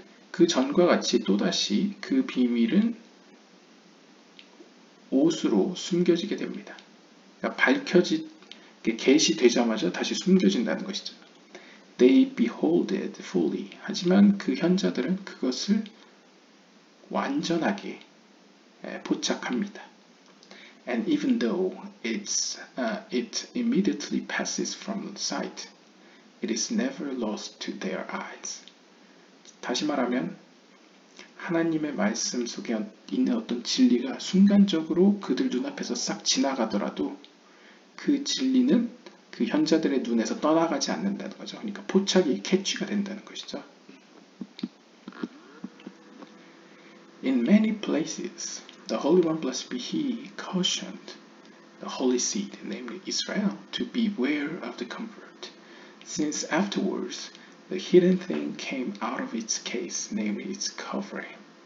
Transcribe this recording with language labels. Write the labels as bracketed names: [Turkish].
[Korean] 그 전과 같이 또다시 그 비밀은 옷으로 숨겨지게 됩니다. 그러니까 게시되자마자 다시 숨겨진다는 것이죠. [English] They behold it fully. [Korean] 하지만 그 현자들은 그것을 완전하게 포착합니다. [English] And even though it immediately passes from sight, it is never lost to their eyes. [Korean] 다시 말하면 하나님의 말씀 속에 있는 어떤 진리가 순간적으로 그들 눈앞에서 싹 지나가더라도 그 진리는 그 현자들의 눈에서 떠나가지 않는다는 거죠. 그러니까 포착이 캐치가 된다는 것이죠. [English] In many places, the Holy One, blessed be He, cautioned the Holy Seed, namely Israel, to beware of the convert, since afterwards, the hidden thing came out of its case, namely its covering.